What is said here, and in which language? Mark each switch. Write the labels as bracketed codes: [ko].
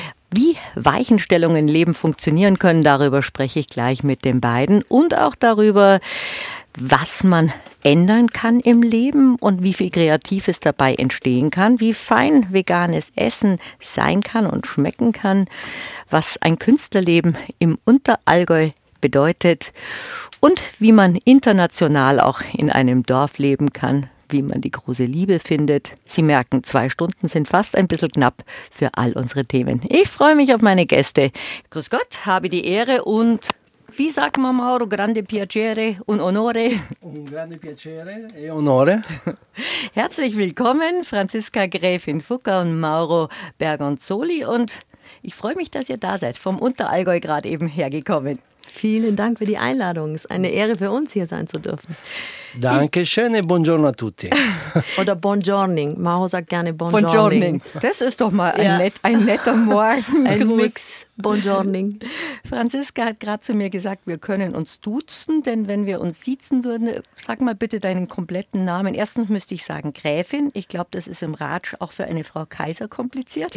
[de] Wie Weichenstellungen im Leben funktionieren können, darüber spreche ich gleich mit den beiden und auch darüber, was man ändern kann im Leben und wie viel Kreatives dabei entstehen kann, wie fein veganes Essen sein kann und schmecken kann, was ein Künstlerleben im Unterallgäu bedeutet und wie man international auch in einem Dorf leben kann, wie man die große Liebe findet. Sie merken, 2 Stunden sind fast ein bisschen knapp für all unsere Themen. Ich freue mich auf meine Gäste. Grüß Gott, habe die Ehre und wie sagt man, Mauro, [it] grande piacere [de] und onore. [it] Un grande piacere e onore. [de] Herzlich willkommen, Franziska Gräfin Fucker und Mauro Bergonzoli. Und ich freue mich, dass ihr da seid, vom Unterallgäu gerade eben hergekommen. Vielen Dank für die Einladung. Es ist eine Ehre für uns, hier sein zu dürfen. Dankeschön [it] e buongiorno a tutti. [de] Oder buongiorning. Mauro sagt gerne buongiorning. Das ist doch mal ein netter Morgengruß. Mix. Buongiorning. Franziska hat gerade zu mir gesagt, wir können uns duzen, denn wenn wir uns siezen würden, sag mal bitte deinen kompletten Namen. Erstens müsste ich sagen Gräfin. Ich glaube, das ist im Ratsch auch für eine Frau Kaiser kompliziert.